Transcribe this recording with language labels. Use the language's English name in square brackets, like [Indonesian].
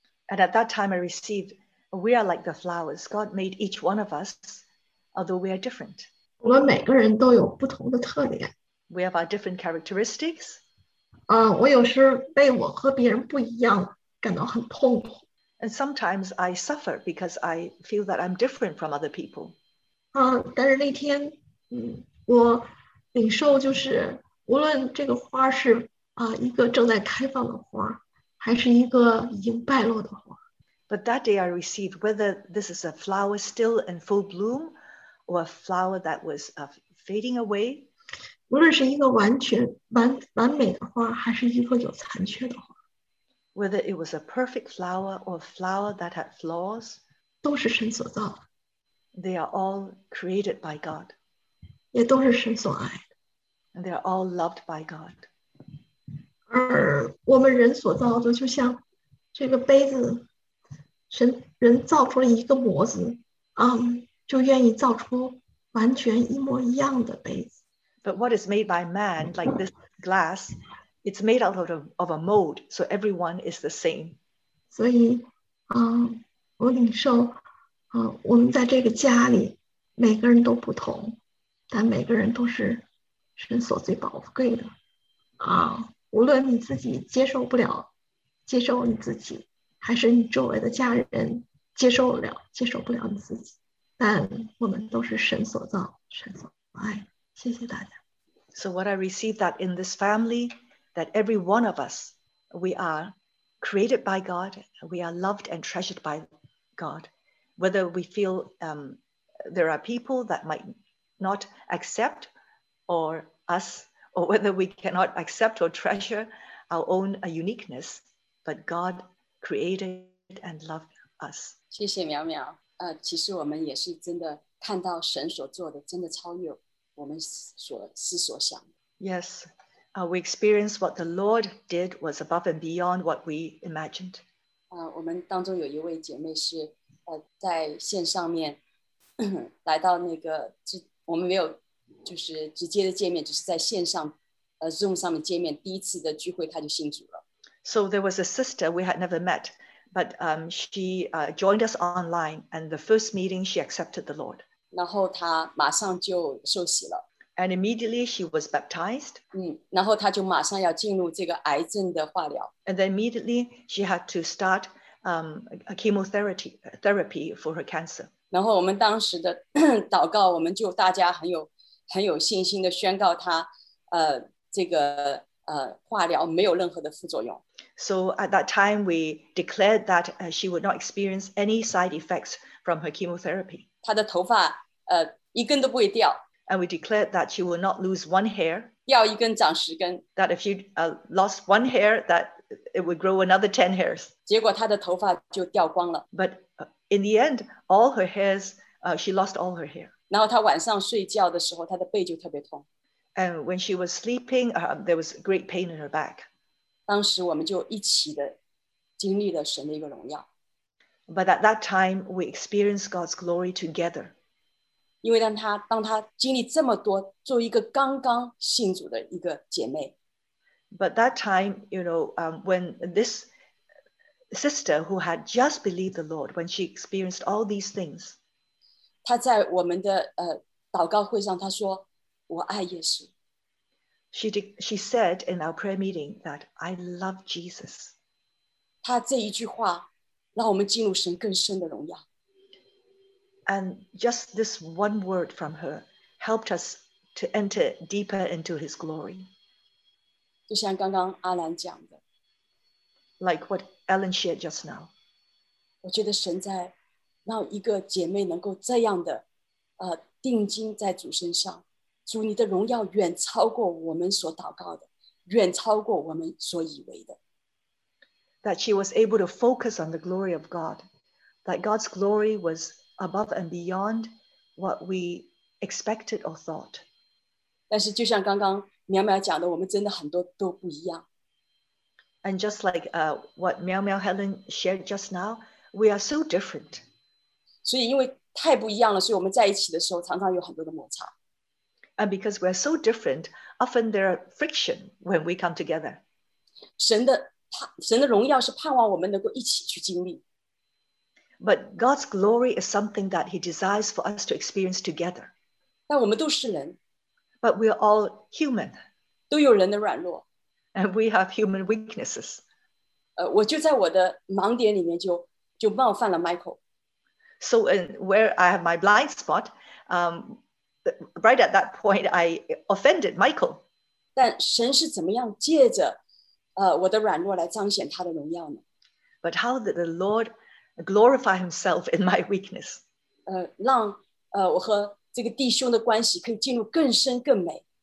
[English] And at that time, I received, "We are like the flowers. God made each one of us, although we are different." [Chinese] 我们每个人都有不同的特点。 [English] We have our different characteristics. [Chinese] 我有时被我和别人不一样感到很痛苦。 [English] And sometimes I suffer because I feel that I'm different from other people. [Chinese] 但是那天，我领受就是，无论这个花是一个正在开放的花，还是一个已经败落的花。 [English] But that day I received whether this is a flower still in full bloom, or a flower that was fading away. [Chinese] 无论是一个完美的花，还是一个有残缺的花 [English] ，whether it was a perfect flower or a flower that had flaws， [Chinese] 都是神所造 [English] ，they are all created by God， [Chinese] 也都是神所爱 [English] ，and they are all loved by God。 [Chinese] 而我们人所造的，就像这个杯子，人造出了一个模子，就愿意造出完全一模一样的杯子。 [English] But what is made by man, like this glass, it's made out of a mold, so everyone is the same. [Chinese] 所以，我领受，我们在这个家里，每个人都不同，但每个人都是神所最宝贵的。无论你自己接受不了，接受你自己，还是你周围的家人接受了，接受不了你自己，但我们都是神所造，神所爱。 [English] So what I received that in this family, that every one of us, we are created by God, we are loved and treasured by God. Whether we feel there are people that might not accept or us, or whether we cannot accept or treasure our own uniqueness, but God created and loved us. [Chinese] 谢谢苗苗。其实我们也是真的看到神所做的真的超越。 [English] Yes, we experienced what the Lord did was above and beyond what we imagined. [Chinese] 我们当中有一位姐妹是在线上面来到那个，我们没有就是直接的见面，只是在线上Zoom 上面见面，第一次的聚会她就信主了。 [English] So there was a sister we had never met, but she joined us online, and the first meeting she accepted the Lord. [Chinese] 然后她马上就受洗了。 [English] And immediately she was baptized. [Chinese] 然后她就马上要进入这个癌症的化疗。 [English] And then immediately she had to start a chemotherapy for her cancer. [Chinese] 然后我们当时的祷告，我们就大家很有信心的宣告她，这个化疗没有任何的副作用。 [English] So at that time we declared that she would not experience any side effects from her chemotherapy. [Chinese] 她的头发一根都不会掉。 [English] And we declared that she will not lose one hair. [Chinese] 要一根长十根。 [English] That if she lost one hair, that it would grow another 10 hairs. [Chinese] 结果她的头发就掉光了。 [English] But in the end, all her hairs, she lost all her hair. [Chinese] 然后她晚上睡觉的时候，她的背就特别痛。 [English] And when she was sleeping, there was great pain in her back. [Chinese] 当时我们就一起的经历了神的一个荣耀。 [English] But at that time, we experienced God's glory together. [Chinese] 因为当他经历这么多，作为一个刚刚信主的一个姐妹。 [English] But that time, you know, when this sister who had just believed the Lord, when she experienced all these things, [Chinese] 她在我们的祷告会上，她说：“我爱耶稣。” [English] She said in our prayer meeting that I love Jesus. [Chinese] 她这一句话。让我们进入神更深的荣耀。 [English] And just this one word from her helped us to enter deeper into His glory. [Chinese] 就像刚刚阿兰讲的， [English] like what Ellen shared just now. [Chinese] 我觉得神在让一个姐妹能够这样的定睛在主身上。主你的荣耀远超过我们所祷告的，远超过我们所以为的。 [English] That she was able to focus on the glory of God, that God's glory was above and beyond what we expected or thought. [Chinese] 但是就像刚刚苗苗讲的，我们真的很多都不一样。 [English] And just like what Miao Miao Helen shared just now, we are so different. [Chinese] 所以因为太不一样了，所以我们在一起的时候常常有很多的摩擦。 [English] And because we are so different, often there are friction when we come together. [Chinese] 神的荣耀是盼望我们能够一起去经历。 [English] But God's glory is something that he desires for us to experience together. [Chinese] 但我们都是人。 [English] But we are all human. [Chinese] 都有人的软弱。 [English] And we have human weaknesses. [Chinese] 我就在我的盲点里面就冒犯了 Michael. [English] So where I have my blind spot, right at that point, I offended Michael. [Chinese] 但神是怎么样借着我的软弱来彰显他的荣耀呢？ [English] But how did the Lord glorify himself in my weakness? [Chinese] 让我和这个弟兄的关系可以进入更深更美。